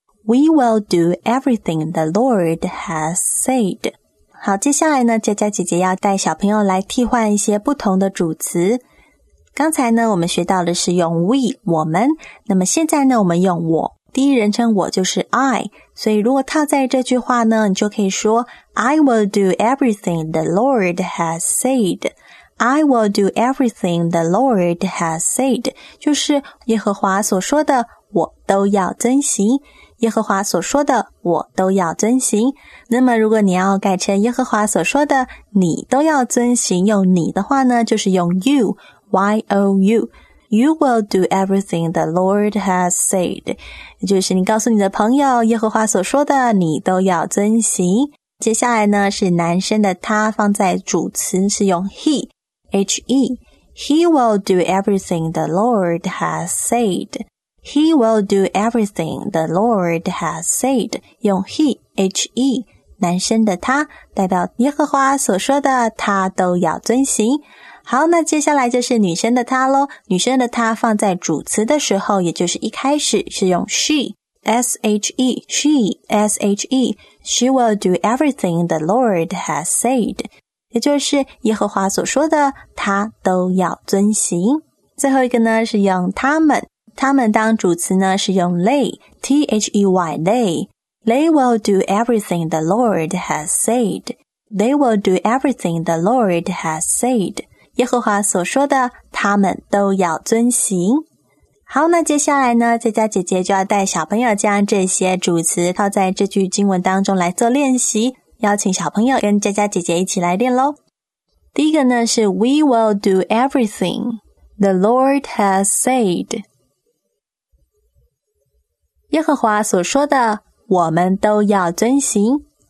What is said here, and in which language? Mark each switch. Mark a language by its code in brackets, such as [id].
[en] We will do everything the Lord has said. [zh] 好，接下来呢，佳佳姐姐要带小朋友来替换一些不同的主词。刚才呢，我们学到的是用 we, 我们，那么现在呢，我们用我。第一人称我就是 I, 所以如果套在这句话呢，你就可以说 [en] I will do everything the Lord has said. I will do everything the Lord has said. [zh] 就是耶和华所说的我都要遵行，耶和华所说的我都要遵行。那么如果你要改成耶和华所说的你都要遵行，用你的话呢，就是用 you, Y-O-U. [en] You will do everything the Lord has said. [zh] 就是你告诉你的朋友耶和华所说的你都要遵行。接下来呢是男生的他，放在主词是用 he, H-E. [en] He will do everything the Lord has said. He will do everything the Lord has said. [zh] 用 he, H-E, 男生的他代表耶和华所说的他都要遵行。好，那接下来就是女生的她咯。女生的她放在主词的时候，也就是一开始是用 she, [en] S-H-E, she, S-H-E, she will do everything the Lord has said. [zh] 也就是耶和华所说的他都要遵行。最后一个呢是用他们。他们当主词呢是用 they, T-H-E-Y, they. [en] They will do everything the Lord has said. They will do everything the Lord has said. [zh] 耶和华所说的他们都要遵行。好，那接下来呢佳佳姐姐就要带小朋友将这些主词套在这句经文当中来做练习，邀请小朋友跟佳佳姐姐一起来练咯。第一个呢是 [en] We will do everything the Lord has said， [zh] 耶和华所说的我们都要遵行。